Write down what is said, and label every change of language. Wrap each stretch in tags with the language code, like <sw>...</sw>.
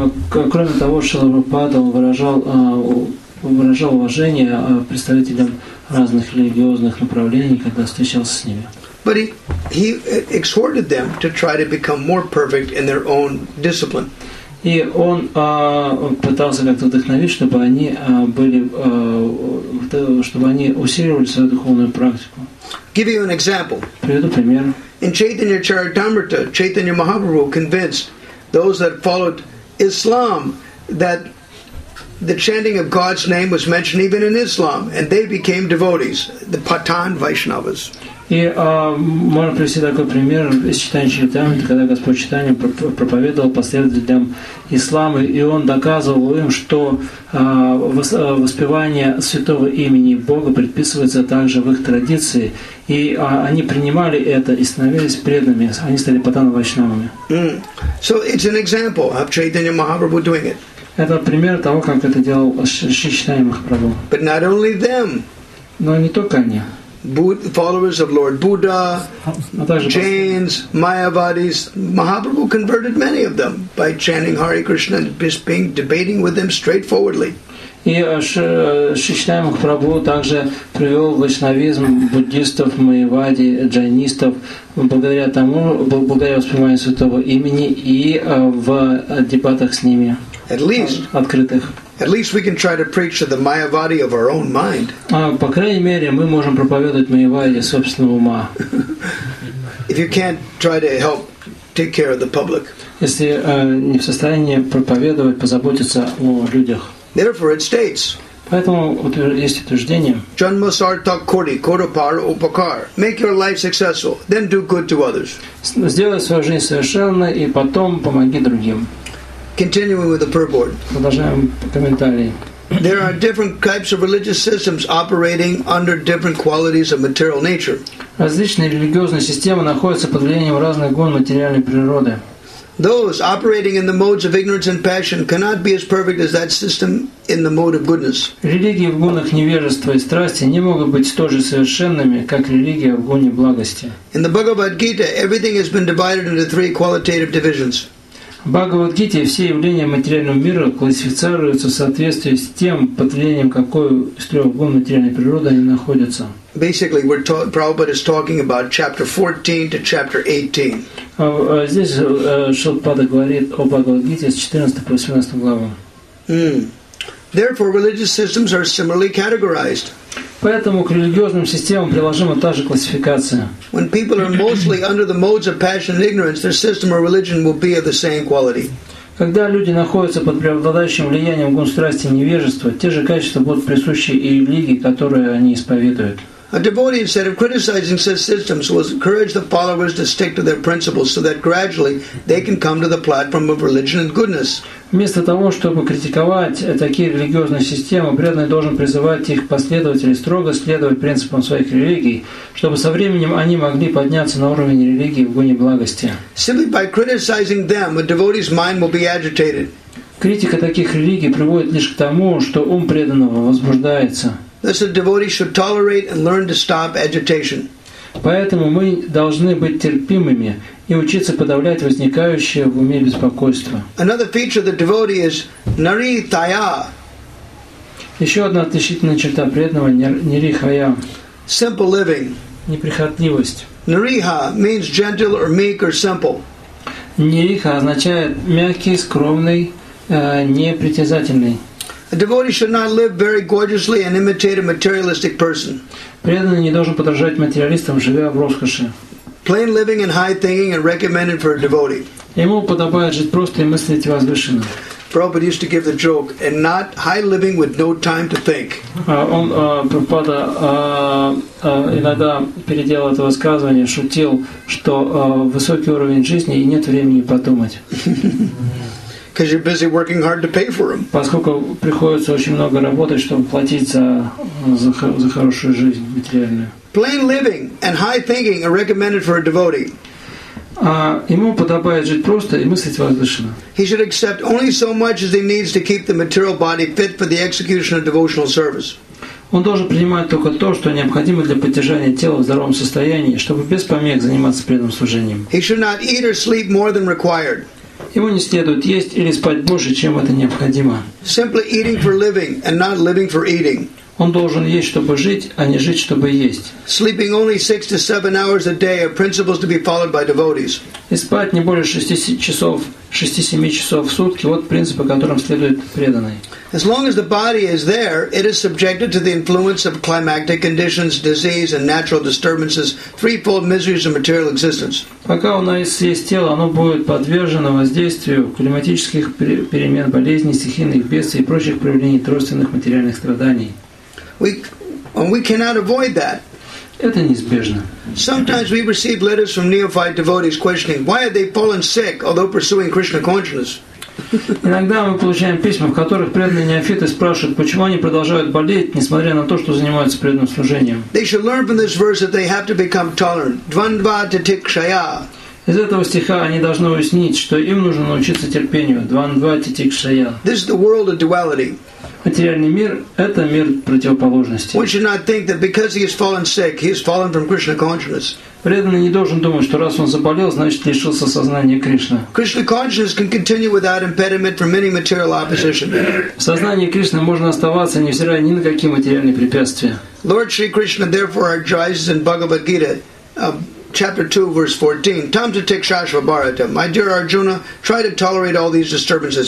<ru>Кроме того, Шрила Прабхупада выражал уважение представителям разных религиозных направлений, когда встречался с ними.</ru> <en>But he exhorted them to try to become more perfect in their own discipline.</en> <ru>И он пытался как-то вдохновить, чтобы они усиливали свою духовную практику.</ru> <en>Give you an example.</en> <ru>Приведу пример.</ru> <en>In Chaitanya Charitamrita, Chaitanya Mahaprabhu convinced those that followed Islam that the chanting of God's name was mentioned even in Islam, and they became devotees, the Patan Vaishnavas.</en> <ru>И можно привести такой пример из читания Чайтанья, когда Господь Чайтанья проповедовал последователям ислама, и он доказывал им, что воспевание святого имени Бога предписывается также в их традиции. И они принимали это и становились преданными. Они стали патана вайшнавами.</ru> <en>So it's an example of Chaitanya Mahaprabhu doing it.</en> <ru>Это пример того, как это делал Шри Чайтанья Махапрабху.</ru> <en>But not only them.</en> <ru>Но не только они.</ru> <en>Followers of Lord Buddha, Jains, Mayavadis, Mahaprabhu converted many of them by chanting Hare Krishna and just debating with them straightforwardly.</en> <ru>И Шри Чайтанья Махапрабху также привел вайшнавизм буддистов, майявади, джайнистов благодаря восприниманию святого имени и в дебатах с ними.</ru> <en>At least.</en> <ru>Открытых.</ru> <en>At least we can try to preach to the Mayavadi of our own mind.</en> <ru>По крайней мере, мы можем проповедовать Майявади собственного ума.</ru> <en>If you can't try to help take care of the public.</en> <ru>Если не в состоянии проповедовать, позаботиться о людях.</ru> <en>Therefore, it states.</en> <ru>Поэтому есть утверждение.</ru> <bn>Janmasartak kori kodapar upakar.</bn> <en>Make your life successful, then do good to others.</en> <ru>Сделай свою жизнь совершенной и потом помоги другим.</ru> <en>Continuing with the purport.</en> <ru>Продолжаем комментарии.</ru> <en>There are different types of religious systems operating under different qualities of material nature.</en> <ru>Различные религиозные системы находятся под влиянием разных гун материальной природы.</ru> <en>Those operating in the modes of ignorance and passion cannot be as perfect as that system in the mode of goodness.</en> <ru>Религии в гунах невежества и страсти не могут быть столь же совершенными, как религия в гуне благости.</ru> <en>In the Bhagavad Gita, everything has been divided into three qualitative divisions.</en> <ru>В Бхагавад-гите все явления материального мира классифицируются в соответствии с тем, под влиянием какой из трех гун материальной природы они находятся.</ru> <en>Basically, Prabhupada is talking about chapter 14 to chapter 18.</en> <ru>Здесь Шилпада говорит о Бхагавад-гите с 14 по 18 главам.</ru> <en>Therefore, religious systems are similarly categorized.</en> <ru>Поэтому к религиозным системам приложима та же классификация.</ru> <en>When people are mostly under the modes of passion and ignorance, their system or religion will be of the same quality.</en> <ru>Когда люди находятся под преобладающим влиянием гун страсти и невежества, те же качества будут присущи и религии, которую они исповедуют.</ru> <en>A devotee, instead of criticizing such systems, will encourage the followers to stick to their principles so that gradually they can come to the platform of religion and goodness.</en> <ru>Вместо того, чтобы критиковать такие религиозные системы, преданный должен призывать их последователей строго следовать принципам своих религий, чтобы со временем они могли подняться на уровень религии в гуне благости.</ru> <en>Simply by criticizing them, a devotee's mind will be agitated.</en> <ru>Критика таких религий приводит лишь к тому, что ум преданного возбуждается.</ru> <en>Thus, a devotee should tolerate and learn to stop agitation.</en> <ru>Поэтому мы должны быть терпимыми и учиться подавлять возникающее в уме беспокойство.</ru> <en>Another feature of the devotee is nirihaya.</en> <ru>Еще одна отличительная черта преданного нирихая.</ru> <en>Simple living.</en> <ru>Неприхотливость.</ru> <en>Nariha means gentle or meek or simple.</en> <ru>Нириха означает мягкий, скромный, непритязательный.</ru> <en>A devotee should not live very gorgeously and imitate a materialistic person.</en> <ru>Преданный не должен подражать материалистам, живя в роскоши.</ru> <en>Plain living and high thinking are recommended for a devotee.</en> <ru>Ему подобает жить просто и мыслить возвышенно.</ru> <en>Prabhupada used to give the joke, and not high living with no time to think.</en> <ru>Иногда переделал это высказывание, шутил, что высокий уровень жизни и нет времени подумать.</ru> <en>Because you're busy working hard to pay for them.</en> <ru>Поскольку приходится очень много работать, чтобы платить за хорошую жизнь материальную.</ru> <en>Plain living and high thinking are recommended for a devotee.</en> <ru>Ему подобает жить просто и мыслить возвышенно.</ru> <en>He should accept only so much as he needs to keep the material body fit for the execution of devotional service.</en> <ru>Он должен принимать только то, что необходимо для поддержания тела в здоровом состоянии, чтобы без помех заниматься преданным служением.</ru> <en>He should not eat or sleep more than required.</en> <ru>Ему не следует есть или спать больше, чем это необходимо.</ru> <en>Simply eating for living and not living for eating.</en> <ru>Он должен есть, чтобы жить, а не жить, чтобы есть.</ru> <en>Sleeping only 6 to 7 hours a day are principles to be followed by devotees.</en> <ru>И спать не более 6-7 часов в сутки – вот принципы, которым следует преданный.</ru> <en>As long as the body is there, it is subjected to the influence of climactic conditions, disease, and natural disturbances, threefold miseries of material existence.</en> <ru>Пока у нас есть тело, оно будет подвержено воздействию климатических перемен, болезней, стихийных бедствий и прочих проявлений тройственных материальных страданий.</ru> <en>We cannot avoid that.</en> <ru>Это неизбежно.</ru> <en>Sometimes we receive letters from neophyte devotees questioning why have they fallen sick although pursuing Krishna consciousness.</en> <ru>Иногда мы получаем письма, в которых преданные неофиты спрашивают, почему они продолжают болеть, несмотря на то, что занимаются преданным служением.</ru> <en>They should learn from this verse that they have to become tolerant.</en> <sa>Dvandva titikshaya.</sa> <ru>Из этого стиха они должны уяснить, что им нужно научиться терпению.</ru> <sa>Dvandva titikshaya.</sa> <en>This is the world of duality.</en> <ru>Материальный мир – это мир противоположностей.</ru> <en>One should not think that because he has fallen sick, he has fallen from Krishna consciousness.</en> <ru>Преданный не должен думать, что раз он заболел, значит лишился сознания Кришны.</ru> <en>Krishna consciousness can continue without impediment from any material opposition.</en> <ru>В сознании Кришны можно оставаться, невзирая ни на какие материальные препятствия.</ru> <en>Lord Shri Krishna therefore advises in Bhagavad Gita, chapter 2, verse 14,</en> <sa>Tam Tatik Shashva Bharata,</sa> <en>my dear Arjuna, try to tolerate all these disturbances.</en>